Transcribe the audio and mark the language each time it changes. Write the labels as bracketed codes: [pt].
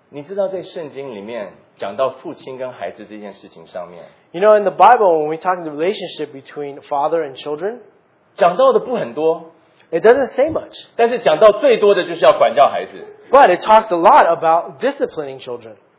[zh] 你知道在圣经里面讲到父亲跟孩子这件事情上面， [en] You know, in the Bible, when we talk the relationship between father and children, [zh] 讲到的不很多， [en] It doesn't say much. [zh] 但是讲到最多的就是要管教孩子。 [en] But it talks a lot about disciplining children.